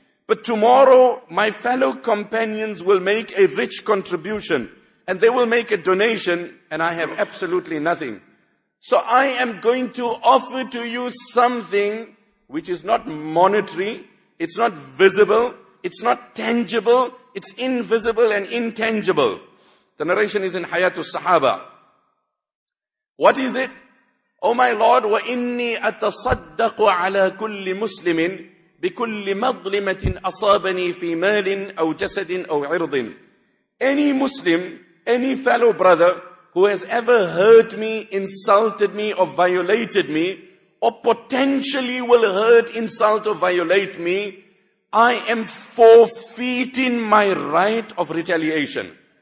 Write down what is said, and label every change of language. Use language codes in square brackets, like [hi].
[en] But tomorrow, my fellow companions will make a rich contribution, and they will make a donation, and I have absolutely nothing. So I am going to offer to you something which is not monetary, it's not visible, it's not tangible, it's invisible and intangible. The narration is in Hayat al-Sahaba. What is it? Oh my Lord, [ar] وَإِنِّي أَتَصَدَّقُ عَلَى كُلِّ مُسْلِمٍ بِكُلِّ مَظْلِمَةٍ أَصَابَنِي فِي مَالٍ أَوْ جَسَدٍ أَوْ عِرْضٍ. [en] Any Muslim, any fellow brother, who has ever hurt me, insulted me, or violated me, or potentially will hurt, insult, or violate me, I am forfeiting my right of retaliation.